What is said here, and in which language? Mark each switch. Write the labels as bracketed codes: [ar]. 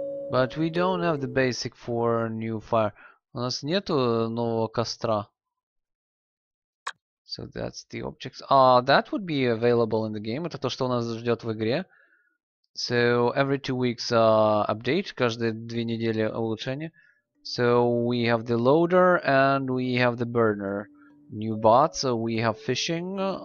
[en] But we don't have the basic for new fire. [ru] У нас нету нового костра. [en] So that's the objects. That would be available in the game. [ru] Это то, что у нас ждет в игре. [en] So every 2 weeks update. [ru] Каждые 2 недели улучшение. [en] So we have the loader and we have the burner. New bots. So we have fishing.